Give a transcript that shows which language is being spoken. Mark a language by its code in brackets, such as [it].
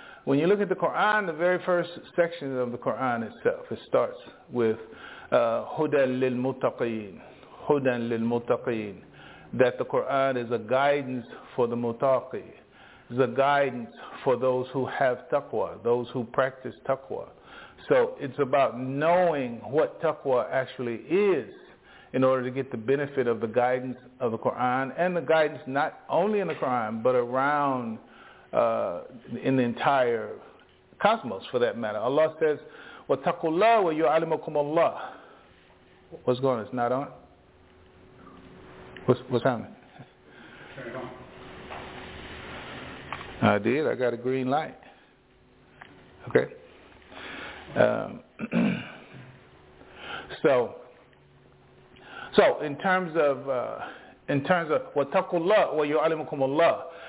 [en] When you look at the Quran, the very first section of the Quran itself, it starts with Hudan lil Mutaqeen, Hudan lil Mutaqeen, that the Quran is a guidance for the Mutaqi, is a guidance for those who have taqwa, those who practice taqwa. So it's about knowing what taqwa actually is in order to get the benefit of the guidance of the Quran, and the guidance not only in the Quran, but around in the entire cosmos, for that matter. [ar] Allah says, وَتَقُوا اللَّهُ وَيُعَلِمُكُمُ اللَّهُ. [en] What's going on? It's not on? What's happening? Turn it on. I did. I got a green light. Okay. So in terms of [ar] وَتَقُوا اللَّهُ وَيُعَلِمُكُمُ اللَّهُ.